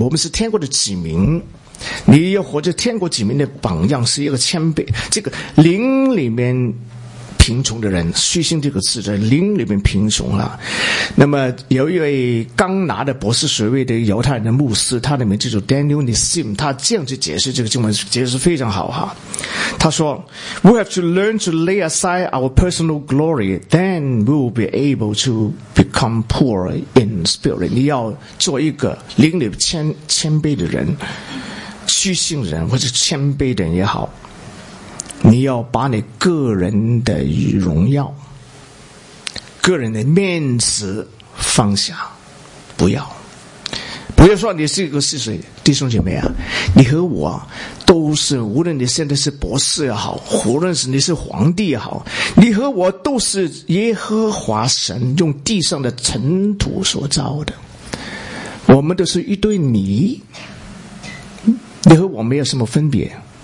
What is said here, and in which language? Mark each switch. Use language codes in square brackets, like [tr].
[zh] 我们是天国的子民，你要活着天国子民的榜样，是一个谦卑。这个灵里面贫穷的人，虚心这个字在灵里面贫穷啊。那么有一位刚拿的博士学位的犹太人的牧师，他的名字叫 Daniel Nissim， 他这样去解释这个经文，解释非常好哈。 [en] 他说 We have to learn to lay aside our personal glory, then we will be able to become poor in spirit. [zh] 你要做一个灵里谦卑的人，虚心人或者谦卑的人也好，你要把你个人的荣耀、个人的面子放下，不要说你是一个是谁，弟兄姐妹啊，你和我都是，无论你现在是博士也好，无论是你是皇帝也好，你和我都是耶和华神用地上的尘土所造的，我们都是一堆泥，你和我没有什么分别。